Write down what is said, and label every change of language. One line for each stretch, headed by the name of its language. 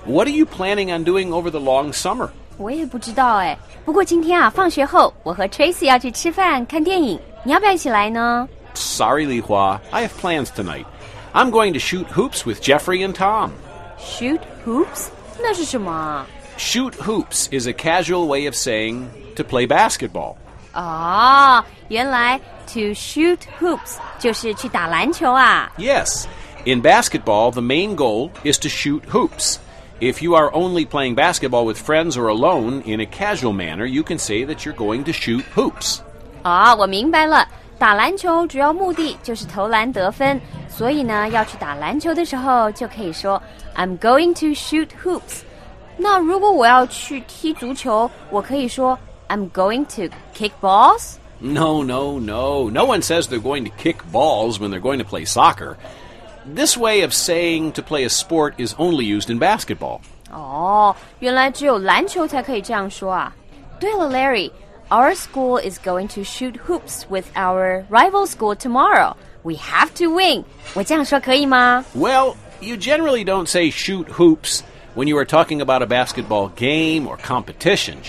English: What are you planning on doing over the long summer?
Chinese: 我也不知道哎，不过今天啊，放学后我和 Tracy 要去吃饭看电影，你要不要一起来呢？
English: Sorry, Li Hua, I have plans tonight. I'm going to shoot hoops with Jeffrey and Tom.
Chinese: Shoot hoops? 那是什么？
English: Shoot hoops is a casual way of saying to play basketball.
Chinese: 哦，原来 to shoot hoops 就是去打篮球啊。
English: Yes, in basketball, the main goal is to shoot hoops. If you are only playing basketball with friends or alone in a casual manner, you can say that you're going to shoot hoops.
Chinese: 哦，我明白了。打篮球主要目的就是投篮得分，所以呢，要去打篮球的时候就可以说
English: I'm going to shoot hoops.
Chinese: 那如果我要去踢足球，我可以说
English: I'm going to kick balls? No. No one says they're going to kick balls when they're going to play soccer. This way of saying to play a sport is only used in basketball.
Chinese: 哦，原来只有篮球才可以这样说啊。对了
English: ，Larry, our school is going to shoot hoops with our rival school tomorrow. We have to win.
Chinese: 我这样说可以吗？
English: Well, you generally don't say shoot hoops when you are talking about a basketball game or competition.